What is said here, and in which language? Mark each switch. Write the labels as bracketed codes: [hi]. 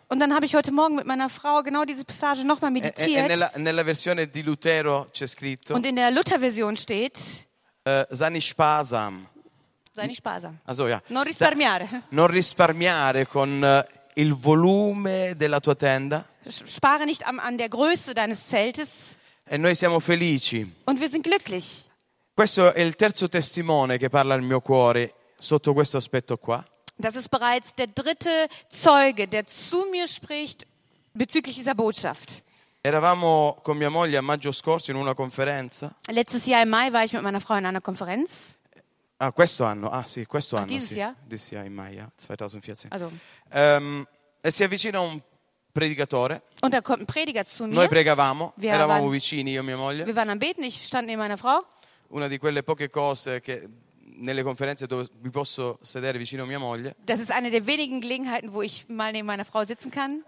[de] Und dann habe ich heute Morgen mit meiner Frau genau diese Passage nochmal meditiert. [it] Nella versione di Lutero c'è scritto. [de] Und in der Luther-Version steht. Sei nicht sparsam. Sei nicht sparsam. Also ja. [it] Non risparmiare. Non risparmiare con il volume della tua tenda. [de] Spare nicht an der Größe deines Zeltes. [it] E noi siamo felici. [de] Und wir sind glücklich. [it] Questo è il terzo testimone che parla al mio cuore sotto questo aspetto qua. [de] Das ist bereits der dritte Zeuge, der zu mir spricht bezüglich dieser Botschaft. [it] Eravamo con mia moglie a maggio scorso in una conferenza. [de] Letztes Jahr im Mai war ich mit meiner Frau in einer Konferenz. [it] Ah, questo anno. Ah, sì, questo anno. [de] Dieses [it] sì. [de] Jahr. Dieses Jahr im Mai, ja, 2014. Also. [it] E si avvicina un predicatore. [de] Und da kommt ein Prediger zu mir. [it] Noi pregavamo, eravamo vicini io e mia moglie. [de] Wir waren am Beten, ich stand neben meiner Frau. [it] Una di quelle poche cose che nelle conferenze dove mi posso sedere vicino a mia moglie. [de] Das ist eine der wenigen Gelegenheiten, wo ich mal neben meiner Frau sitzen kann.